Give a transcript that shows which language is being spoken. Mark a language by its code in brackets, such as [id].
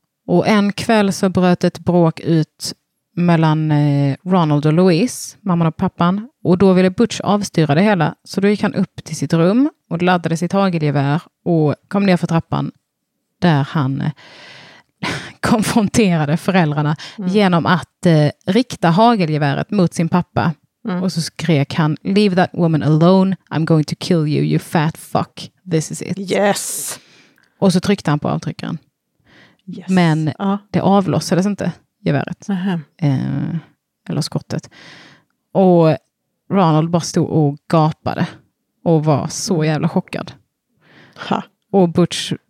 [sv] Och en kväll så bröt ett bråk ut mellan Ronald och Louise, mamman och pappan. Och då ville Butch avstyra det hela, så då gick han upp till sitt rum och laddade sitt hagelgevär och kom ner för trappan där han konfronterade föräldrarna genom att rikta hagelgeväret mot sin pappa. Mm. Och så skrek han, [en] leave that woman alone, I'm going to kill you, you fat fuck, this is it. Yes! [sv] Och så tryckte han på avtryckaren. [en] Yes. [sv] Men det avlossades inte, geväret. Uh-huh. Eller skottet. Och Ronald bara stod och gapade. Och var så jävla chockad. Ha. Och Butch ryckte